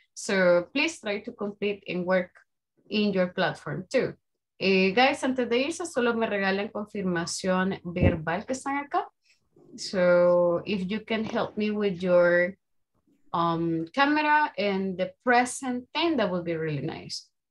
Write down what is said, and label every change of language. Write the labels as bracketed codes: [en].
[en] So please try to complete and work in your platform too. [es] Guys, antes de irse, solo me regalan confirmación verbal que están acá. [en] So if you can help me with your camera and the present thing, that would be really nice.